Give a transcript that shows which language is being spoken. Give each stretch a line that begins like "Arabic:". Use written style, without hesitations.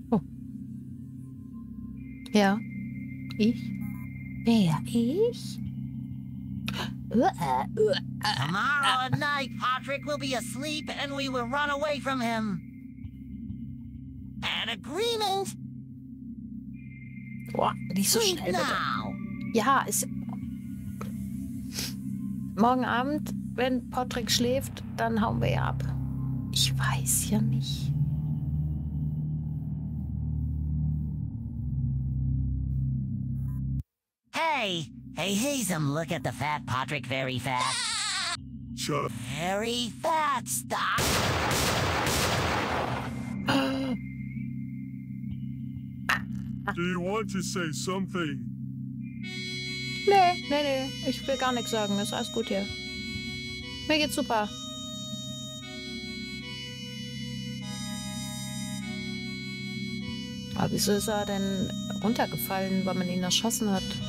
German: Oh. Ja. Ich? Wer? Ich?
English: Tomorrow at night, Patrick will be asleep and we will run away from him. An agreement?
German: Boah, nicht so schnell, bitte. Ja, es... Morgen Abend, wenn Patrick schläft, dann hauen wir ja ab. Ich weiß ja nicht. Hey!
English: Hey, Hazem, look at the fat Patrick very fast. Shut up. Very fat, stop. Do you want to say something?
German: Nee, nee, nee. Ich will gar nichts sagen. Ist alles gut hier. Mir geht's super. Aber wieso ist er denn runtergefallen, weil man ihn erschossen hat?